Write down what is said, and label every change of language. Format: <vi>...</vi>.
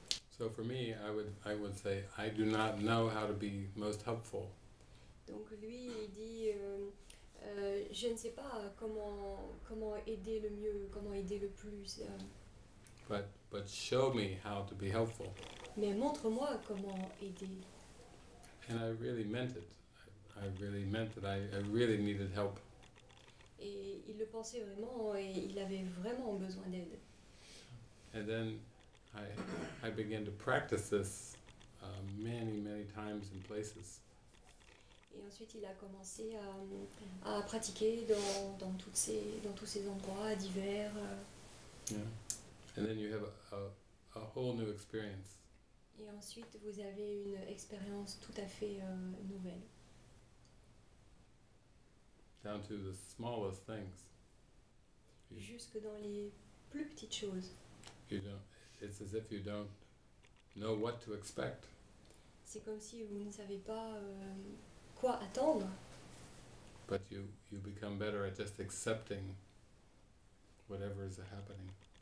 <en>So for me, I would say I do not know how to be most helpful.</en> <fr>Donc lui, il dit je ne sais pas comment aider le mieux, comment aider le plus.</fr> <en>But show me how to be helpful.</en> <fr>Mais montre-moi comment aider.</fr> <en>And I really meant it. I really meant that I really needed help.</en> <fr>Et il le pensait vraiment, et il avait vraiment besoin d'aide.</fr> <en>And then I began to practice this many, many times in places.</en> <fr>Et ensuite il a commencé à pratiquer dans tous ces endroits divers.</fr> <en>And then you have a whole new experience.</en> <fr>Et ensuite vous avez une expérience tout à fait nouvelle.</fr> <en>Down to the smallest things.</en> <fr>Jusque dans les plus petites choses.</fr> <en>It's as if you don't know what to expect.</en> <fr>C'est comme si vous ne savez pas quoi attendre.</fr> <en>But you become better at just accepting whatever is happening.</en>